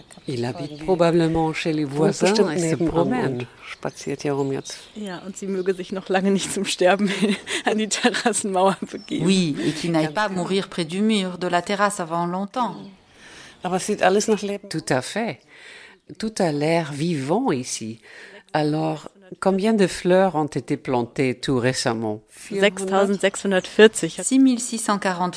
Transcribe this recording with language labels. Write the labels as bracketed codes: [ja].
[fr] Il habite probablement chez les voisins et se promène. [de] Spaziert hier rum jetzt. Ja, und sie möge sich noch lange nicht zum Sterben an die Terrassenmauer begeben. [fr] Oui, et qu'il n'aille pas mourir près du mur de la terrasse avant longtemps. Tout à fait. Tout a l'air vivant ici. Alors, combien de fleurs ont été plantées tout récemment? 6640